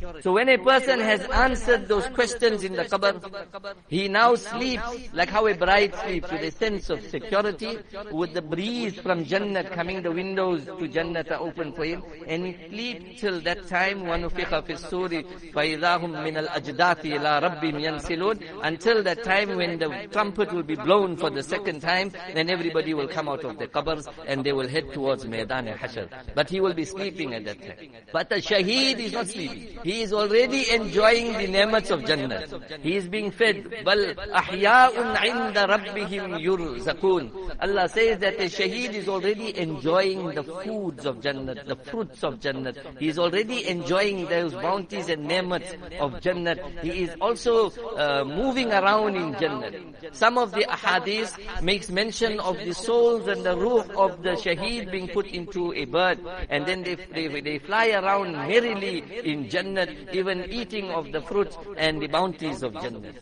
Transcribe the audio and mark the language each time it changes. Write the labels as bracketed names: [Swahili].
[English] So when a person has answered those questions in the qabr, he now sleeps like how a bride sleeps, with a sense of security, with the breeze from Jannah coming, the windows to Jannah are open for him, and he sleeps till that time, [Arabic] وَنُفِقَ فِي السُّورِ فَإِذَاهُمْ مِنَ الْأَجْدَاثِ إِلَىٰ رَبِّهِمْ يَنْسِلُونَ, [English] until that time when the trumpet will be blown for the second time, then everybody will come out of the qabrs and they will head towards Maidan al-Hashr. But he will be sleeping at that time. But the shaheed is not sleeping. He is already enjoying the ni'mats of Jannah. He is being fed. [Arabic] بل احیاء عند ربهم يرزقون. [English] Allah says that the shaheed is already enjoying the foods of Jannat, the fruits of Jannat. He is already enjoying those bounties and ni'mats of Jannat. He is also moving around in Jannat. Some of the ahadith makes mention of the souls and the ruh of the shaheed being put into a bird, and then they fly around merrily in Jannat, even eating of the fruits and the bounties of Jannat.